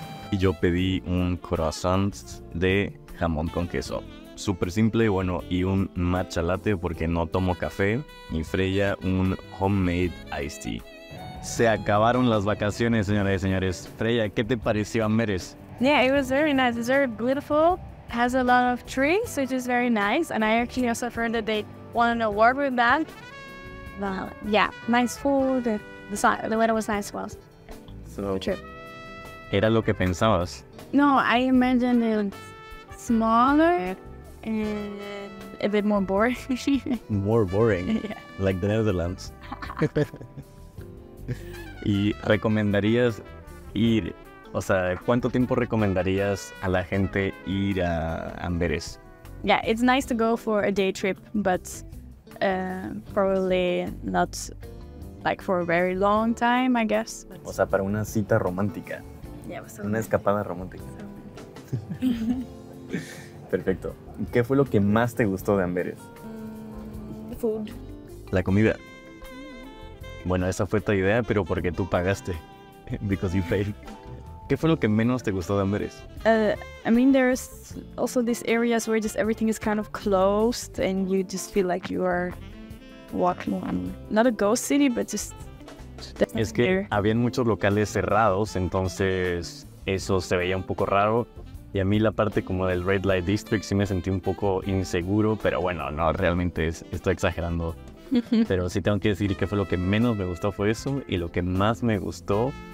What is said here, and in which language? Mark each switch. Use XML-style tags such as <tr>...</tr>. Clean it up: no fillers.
<es>Y yo pedí un croissant de jamón con queso. Súper simple, bueno, y un matcha latte porque no tomo café. Y Freya, un</es> <en>homemade iced tea.</en> <es>Se acabaron las vacaciones, señoras y señores. Freya, ¿qué te pareció Amberes?</es> <en>Yeah, it was very nice. It's very beautiful. Has a lot of trees, which is very nice. And I actually also heard that they won an award with that. Well, yeah, nice food. The weather was nice as well. So, trip.</en> <es>¿Era lo que pensabas?</es> <en>No, I imagined it smaller and a bit more boring. More boring? Yeah. Like the Netherlands.</en> <es>¿Y recomendarías ir? O sea, ¿cuánto tiempo recomendarías a la gente ir a Amberes?</es> <en>Yeah, it's nice to go for a day trip, but probably not like for a very long time, I guess.</en> <es>O sea, para una cita romántica.</es> <en>Yeah,</en> <es>so una escapada romántica. So perfecto. ¿Qué fue lo que más te gustó de Amberes?</es> <en>The food.</en> <es>La comida. Bueno, esa fue tu idea, pero porque tú pagaste.</es> <en>Because you paid.</en> <es>¿Qué fue lo que menos te gustó de Amberes?</es> <en>I mean, there's also these areas where just everything is kind of closed and you just feel like you are walking on, not a ghost city, but just...</en> <es>Es que</es> <en>there.</en> <es>Habían muchos locales cerrados, entonces eso se veía un poco raro. Y a mí la parte como del Red Light District sí me sentí un poco inseguro, pero bueno, no, realmente estoy exagerando. Pero sí tengo que decir que fue lo que menos me gustó fue eso y lo que más me gustó</es>